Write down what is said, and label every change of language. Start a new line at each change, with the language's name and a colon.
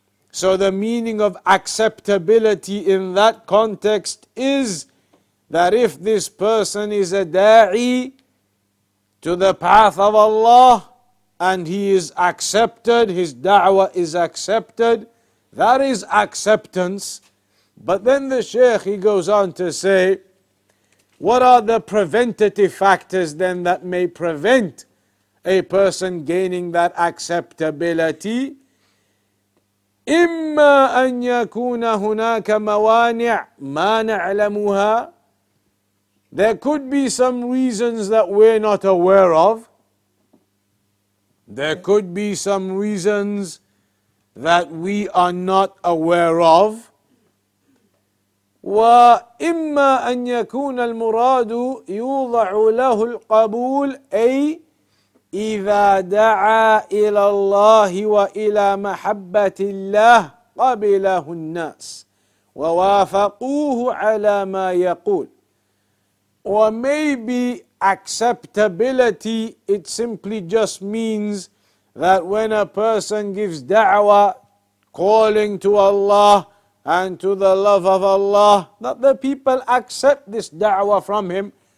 English: So the meaning of acceptability in that context is that if this person is a da'i to the path of Allah and he is accepted, his da'wah is accepted, that is acceptance. But then the Shaykh, he goes on to say, what are the preventative factors then that may prevent a person gaining that acceptability?
Arabic: إما أن يكون هناك موانع ما نعلمها.
English: There could be some reasons that we're not aware of. There could be some reasons that we are not aware of.
Arabic: وإما أن يكون المراد يوضع له القبول أي إذا دعا إلى الله وإلى محبة الله قبله الناس ووافقوه على ما يقول.
English: Or maybe acceptability, it simply just means that when a person gives da'wah, calling to Allah and to the love of Allah, that the people accept this da'wah from him.